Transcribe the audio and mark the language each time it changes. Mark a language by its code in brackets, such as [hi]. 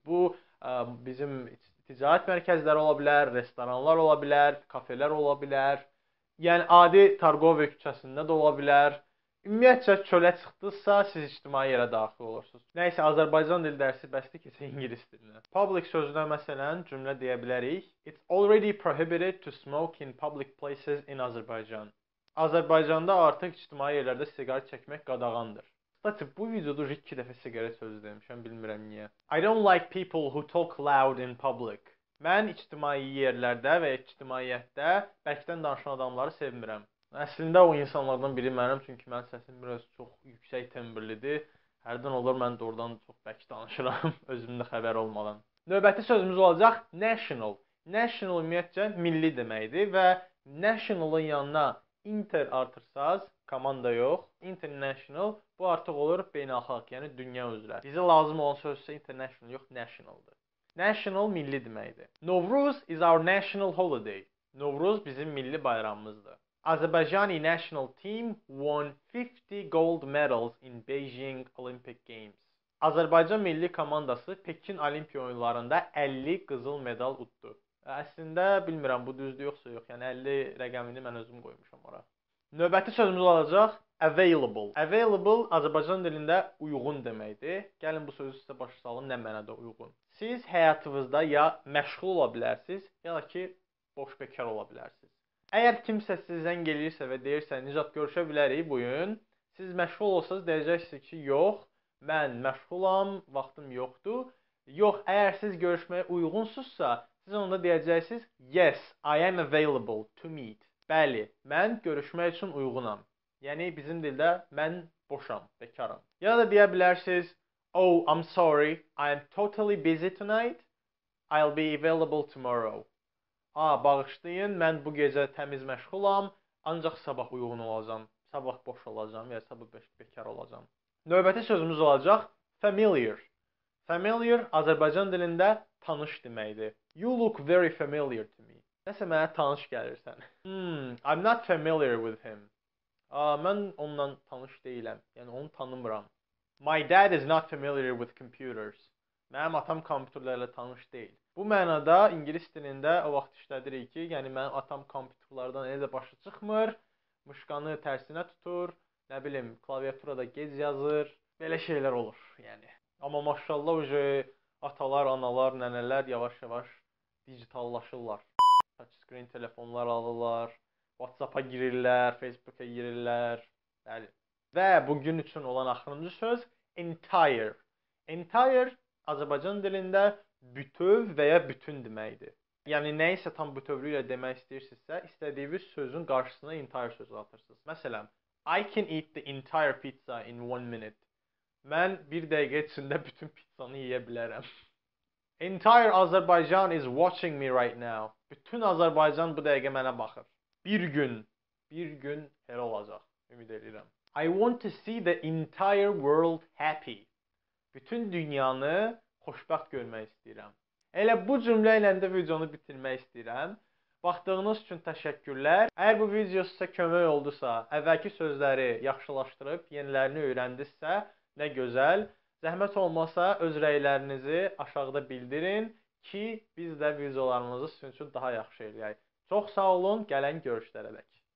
[az] Bu, bizim ticarət mərkəzləri ola bilər, restoranlar ola bilər, kafelər ola bilər. Yəni, adi Targovik küçəsində də ola bilər. Ümumiyyətcə, çölə çıxdınızsa, siz ictimai yerə daxil olursunuz. Nə isə Azərbaycan dil dərsi bəsdir ki, sən ingilis dilini. Public sözünə məsələn cümlə deyə bilərik. [en] It's already prohibited to smoke in public places in Azerbaijan. [az] Azərbaycanda artıq ictimai yerlərdə siqaret çəkmək qadağandır. [ru] Kстати, [az] bu videoda iki dəfə siqaret sözü demişəm, bilmirəm niyə. [en] I don't like people who talk loud in public. [az] Mən ictimai yerlərdə və ictimaiyyətdə bərkdən danışan adamları sevmirəm. Əslində o insanlardan biri mənim, çünki mənim səsim biraz çox yüksək tembrlidir. Hərdən olur mən doğrudan çox bərk danışıram, özümdə xəbər olmadan. Növbəti sözümüz olacaq national. National ümumiyyətcə milli deməkdir və national-ın yanına inter artırsaz, komanda yox, international, bu artıq olur beynəlxalq, yəni dünya üzrə. Bizə lazım olan sözsə international yox, national-dır. National milli deməkdir. [en] Novruz is our national holiday. [az] Novruz bizim milli bayramımızdır. [en] Azerbaijani national team won 50 gold medals in Beijing Olympic Games. [az] Azərbaycan milli komandası Pekin Olimpiya oyunlarında 50 qızıl medal uddu. Əslində bilmirəm bu düzdür yoxsa yox. Yəni 50 rəqəmini mən özüm qoymuşam ora. Növbəti sözümüz olacaq available. Available Azərbaycan dilində uyğun deməkdir. Gəlin bu sözü sizə başa salın nə mənada uyğun. Siz həyatınızda ya məşğul ola bilərsiniz, ya da ki boş bekar ola bilərsiniz. Əgər kimsə sizə zəng eləyirsə və deyirsə, "Nicat, görüşə bilərik bu gün?" Siz məşğul olsanız deyəcəksiniz ki, "Yox, mən məşğulam, vaxtım yoxdur." Yox, əgər siz görüşməyə uyğunsuzsa, siz onda deyəcəksiniz, [en] "Yes, I am available to meet." [az] Bəli, mən görüşmək üçün uyğunam. Yəni bizim dildə mən boşam, bekaram. Ya da deyə bilərsiniz, [en] "Oh, I'm sorry. I am totally busy tonight. I'll be available tomorrow." [az] A, bağışlayın, mən bu gecə təmiz məşğulam, ancaq sabah uyğun olacam. Sabah boş olacam, ya sabah bekar olacam. Növbəti sözümüz olacaq familiar. Familiar Azərbaycan dilində tanış deməkdir. [en] You look very familiar to me. [az] Nəsə mənə tanış gəlirsən. [en] I'm not familiar with him. [az] Mən ondan tanış deyiləm. Yəni, onu tanımıram. [en] My dad is not familiar with computers. [az] Mənim atam kompüterlərlə tanış deyil. Bu mənada ingilis dilində o vaxt işlədirik ki, yəni mənim atam kompüterlərdən elə də başa çıxmır, mışqanı tərsinə tutur, nə bilim, klaviaturada gec yazır, belə şeylər olur, yəni. Amma maşallah, ucə atalar, analar, nənələr yavaş-yavaş digitallaşırlar. Touchscreen telefonlar alırlar, WhatsApp-a girirlər, Facebook-a girirlər, bəli. Və bugün üçün olan axırıncı söz entire. Entire Azərbaycan dilində bütöv və ya bütün deməkdir. Yəni, nə isə tam bütövlüklə demək istəyirsinizsə, istədiyiniz sözün qarşısına entire sözü atırsınız. Məsələn, [en] I can eat the entire pizza in 1 minute. [az] Mən bir dəqiqə içində bütün pizzanı yiyə bilərəm. [en] Entire Azerbaijan is watching me right now. [az] Bütün Azərbaycan bu dəqiqə mənə baxır. Bir gün hər olacaq. Ümid edirəm. [en] I want to see the entire world happy. [az] Bütün dünyanı xoşbəxt görmək istəyirəm. Elə bu cümlə ilə də videonu bitirmək istəyirəm. Baxdığınız üçün təşəkkürlər. Əgər bu video sizə kömək oldusa, əvvəlki sözləri yaxşılaşdırıb, yenilərini öyrəndinizsə, nə gözəl. Zəhmət olmasa, öz rəylərinizi aşağıda bildirin ki, biz də videolarımızı sizin üçün daha yaxşı eləyək. Çox sağ olun, gələn görüşlərə dək.